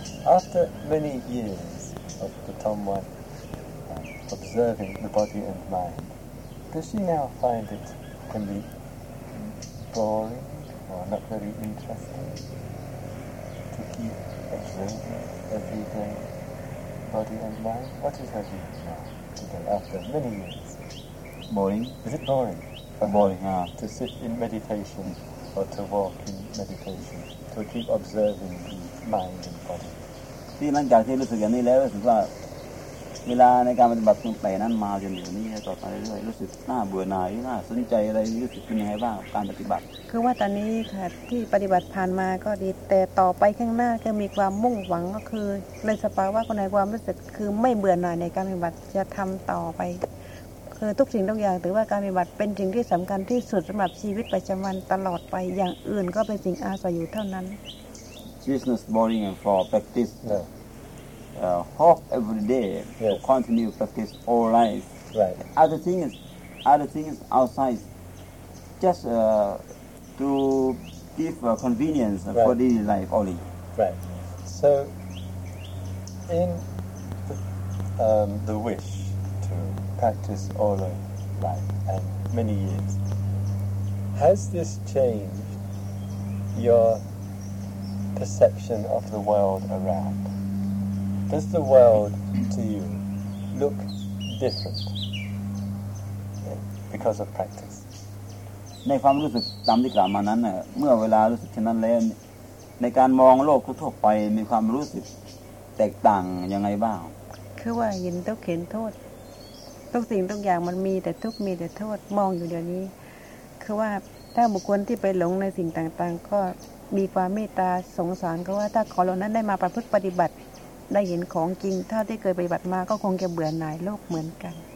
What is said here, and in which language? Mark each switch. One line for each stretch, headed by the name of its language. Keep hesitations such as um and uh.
English: After many years of the Tomwa um, observing the body and mind, does she now find it can be boring or not very interesting to keep observing every day? body and mind. What is her view now, today, after many years? boring Is it boring for her boring uh, to sit in meditation or to walk in meditation, to keep observing the mind and body?
Thai: ที่หลังจากที่รู้สึกอย่างนี้แล้วรู้สึกว่าเวลาในการปฏิบัติตั้งแต่นั้นมาจนถึงนี้ต่อไปเรื่อยๆรู้สึกน่าเบื่อหน่ายน่าสนใจอะไรรู้สึกเป็นยังไงบ้างกับการปฏิบัติ คือว่าตอนนี้ค่ะที่ปฏิบัติผ่านมาก็ดี แต่ต่อไปข้างหน้าก็มีความมุ่งหวังก็คือ ในสภาวะคนในความรู้สึกคือไม่เบื่อหน่ายในการปฏิบัติจะทำต่อไป คือทุกสิ่งทุกอย่างถือว่าการปฏิบัติเป็นสิ่งที่สำคัญที่สุดสำหรับชีวิตประจำวันตลอดไปอย่างอื่นก็เป็นสิ่งอาศัยอยู่เท่านั้น
English: business boring and for practice No. uh, half every day to Yes. continue practice all life. Right. Other things, other things outside, just uh, to give uh, convenience for Right. daily life only. Right. So, in the, um, the wish to practice all of life and many years, has this changed your perception of the world around? Does the world to you look different uh, because of practice?
Thai: ในความรู้สึกตามที่กล่าวมานั้นน่ะเมื่อเวลารู้สึกเช่นนั้นแล้วในการมองโลกทั่วๆไปมีความรู้สึกแตกต่างยังไงบ้าง คือว่าเห็นทุกข์เห็นโทษ ทุกสิ่งทุกอย่างมันมีแต่ทุกข์มีแต่โทษมองอยู่เดี๋ยวนี้ คือว่าถ้าบุคคลที่ไปหลงในสิ่งต่างๆ ก็มีความเมตตาสงสารก็ว่าถ้าขอเหล่านั้นได้มาประพฤติปฏิบัติ ได้เห็นของจริงเท่าที่เคยปฏิบัติมาก็คงจะเบื่อหน่ายโลกเหมือนกัน